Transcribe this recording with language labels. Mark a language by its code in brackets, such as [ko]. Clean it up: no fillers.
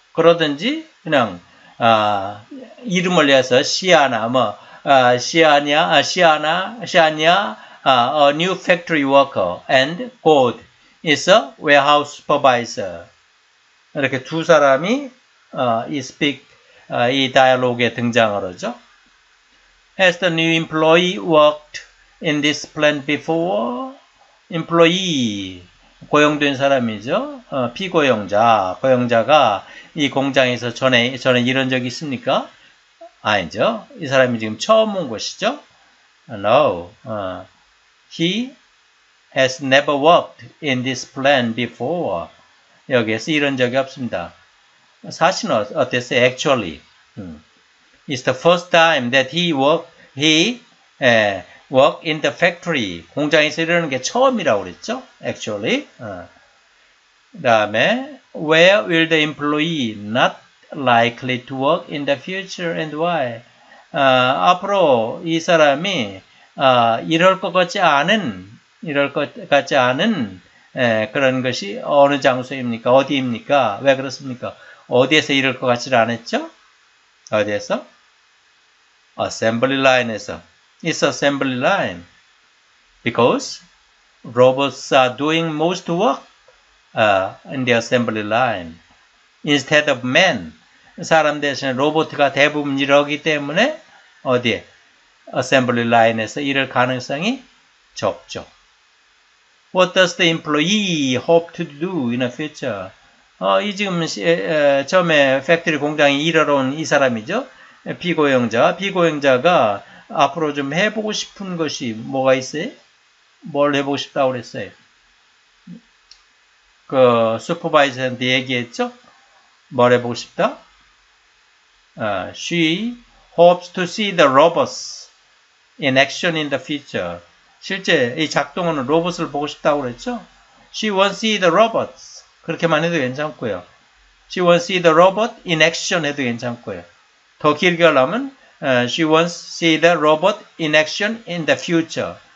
[ko] 그러든지 그냥 이름을 내서 시아냐 [en] a new factory worker and God is a warehouse supervisor. [ko] 이렇게 두 사람이 이 다이얼로그에 등장하죠. [en] Has the new employee worked in this plant before? [ko] Employee, 고용된 사람이죠. 고용자가 이 공장에서 전에 일한 적이 있습니까? 아니죠. 이 사람이 지금 처음 온 것이죠. [en] No, he has never worked in this plant before. [ko] 여기에서 일한 적이 없습니다. 사실은 어땠어요? [en] Actually, it's the first time that he work in the factory. [ko] 공장에서 일하는 게 처음이라고 그랬죠. [en] Actually. [ko] 다음에 [en] Where will the employee not likely to work in the future and why? [ko] 앞으로 이 사람이 이럴 것 같지 않은 그런 것이 어느 장소입니까? 어디입니까? 왜 그렇습니까? 어디에서 이럴 것 같지 않았죠? 어디에서? Assembly line에서. [en] It's assembly line. Because robots are doing most work in the assembly line. Instead of men. [ko] 사람 대신 로봇이 대부분 일하기 때문에 어디에? Assembly line에서 일할 가능성이 적죠. [en] What does the employee hope to do in the future? [ko] 처음에 팩토리 공장에 일하러 온 이 사람이죠. 비고용자가 앞으로 좀 해보고 싶은 것이 뭐가 있어요? 뭘 해보고 싶다고 그랬어요? 그 슈퍼바이저한테 얘기했죠? 뭘 해보고 싶다? [en] She hopes to see the robots in action in the future. [ko] 실제 이 작동하는 로봇을 보고 싶다고 그랬죠? [en] She wants to see the robots. [ko] 그렇게만 해도 괜찮고요. [en] She wants to see the robot in action [ko] 해도 괜찮고요. 더 길게 하려면 [en] She wants to see the robot in action in the future.